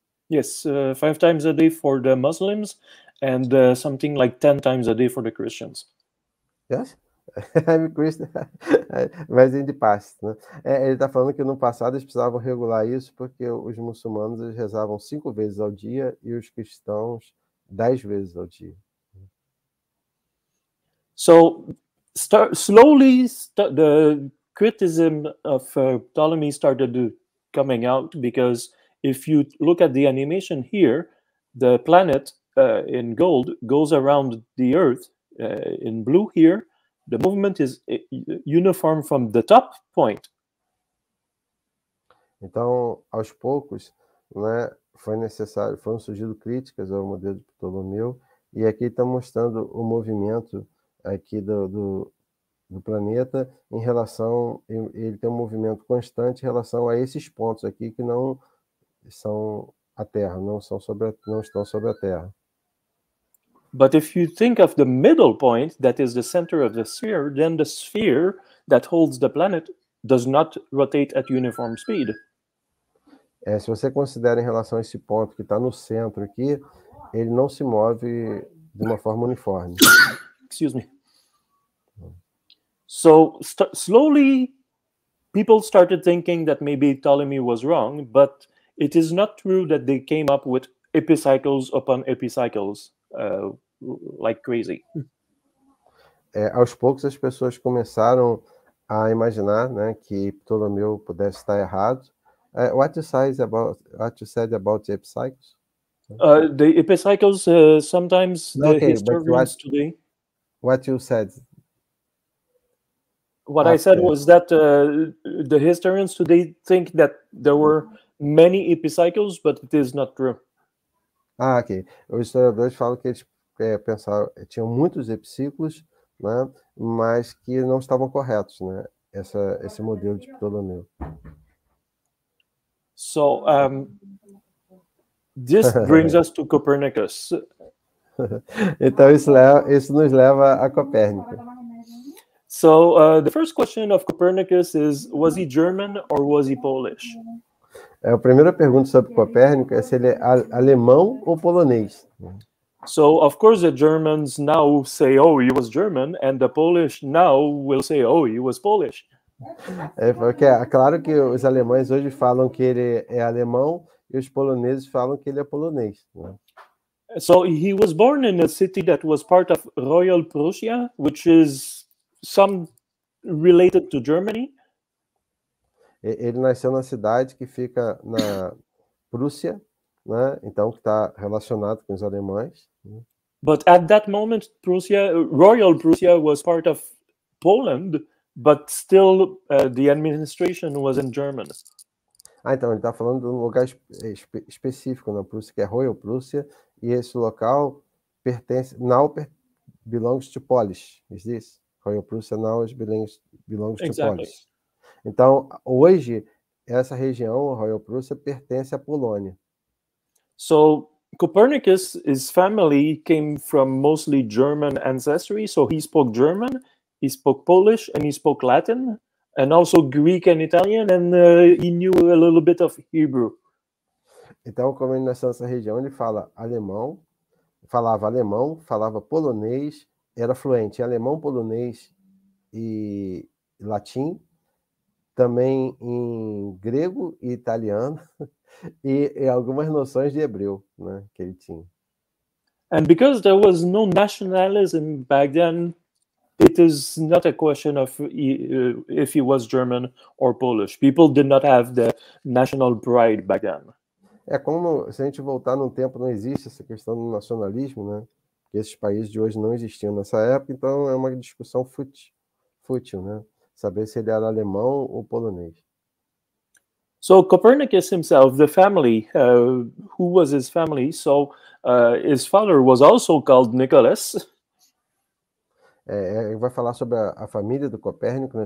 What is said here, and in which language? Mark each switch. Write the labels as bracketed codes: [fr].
[en] Yes, 5 times a day for the Muslims and something like 10 times a day for the Christians. Yes? I'm Christian, [pt] mas em de paz, né? Ele está falando que no passado eles precisavam regular isso porque os muçulmanos rezavam 5 vezes ao dia e os cristãos 10 vezes ao dia. [en] So, the criticism of Ptolemy started coming out because if you look at the animation here, the planet in gold goes around the Earth in blue here. The movement is uniform from the top point. [pt] Então, aos poucos, né, foram surgindo críticas ao modelo de Ptolomeu, e aqui está mostrando o movimento aqui do planeta em relação, ele tem um movimento constante em relação a esses pontos aqui que não são a Terra, não estão sobre a Terra. [en] But if you think of the middle point, that is the center of the sphere, then the sphere that holds the planet does not rotate at uniform speed. [pt] Se você considera em relação a esse ponto que está no centro aqui, ele não se move de uma forma uniforme. [en] Excuse me. So, slowly, people started thinking that maybe Ptolemy was wrong, but it is not true that they came up with epicycles upon epicycles. Like crazy. [pt] Aos poucos as pessoas começaram a imaginar, né, que Ptolomeu pudesse estar errado. [en] What you said about the epicycles? The epicycles sometimes the historians today. What you said? What I said was that the historians today think that there were many epicycles, but it is not true. Ah, ok. [pt] Os historiadores falam que eles pensaram, tinham muitos epiciclos, né, mas que não estavam corretos, né, esse modelo de Ptolomeu. [en] So, this brings us to Copernicus. [pt] Então, isso nos leva a Copérnico. [en] So, the first question of Copernicus is, was he German or was he Polish? [pt] A primeira pergunta sobre Copérnico é se ele é alemão ou polonês. [en] So, of course, the Germans now say, oh, he was German, and the Polish now will say, oh, he was Polish. [pt] Porque é claro que os alemães hoje falam que ele é alemão e os poloneses falam que ele é polonês. Né? [en] So, he was born in a city that was part of Royal Prussia, which is some related to Germany. [pt] Ele nasceu na cidade que fica na Prússia, né? Então que está relacionado com os alemães. [en] But at that moment, Prussia, Royal Prussia, was part of Poland, but still the administration was in German. [pt] Ah, então, ele está falando de um lugar específico na Prússia, que é Royal Prússia, e esse local pertence, [en] now belongs to Polish, is this? Royal Prússia now belongs to Polish. [pt] Então, hoje, essa região, Royal Prússia, pertence à Polônia. [en] So, Copernicus, his family came from mostly German ancestry, so he spoke German, he spoke Polish, and he spoke Latin, and also Greek and Italian, and he knew a little bit of Hebrew. [pt] Então, como ele nasceu nessa região, ele fala alemão, falava polonês, era fluente em alemão, polonês e latim, também em grego e italiano, e algumas noções de hebreu, né, que ele tinha. [en] And because there was no nationalism back then, it is not a question of if he was German or Polish. People did not have the national pride back then. [pt] É como se a gente voltar num tempo, não existe essa questão do nacionalismo, né? Que esses países de hoje não existiam nessa época, então é uma discussão fútil, né? Saber se ele era alemão ou polonês. [en] So Copernicus himself, the family, who was his family? So his father was also called Nicholas. [pt] Ele vai falar sobre a família do Copérnico, né?